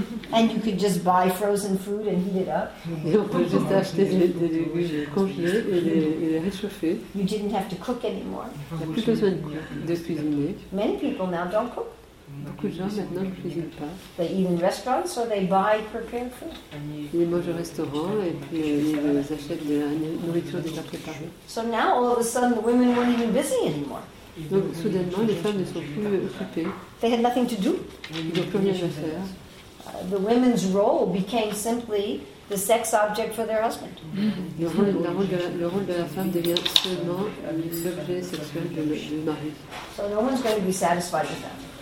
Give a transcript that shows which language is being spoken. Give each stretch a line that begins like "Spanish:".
English: And you could just buy frozen food and heat it up.
French: Et on peut juste acheter des légumes congelés et les réchauffer.
English: You didn't have to cook anymore.
French: Il n'y a plus besoin de cuisiner.
English: Many people now don't cook.
French: Beaucoup de gens maintenant ne cuisinent pas.
English: They eat in restaurants or they buy prepared food.
French: Ils mangent au restaurant et puis ils achètent de la nourriture déjà préparée.
English: So now all of a sudden the women weren't even busy anymore.
French: Donc soudainement les femmes ne sont plus occupées.
English: They had nothing to do.
French: Ils n'ont plus rien à faire.
English: The women's role became simply the sex object for their husband.
French: Le rôle de la femme devient seulement l'objet sexuel du mari.
English: So no one's going to be satisfied with that.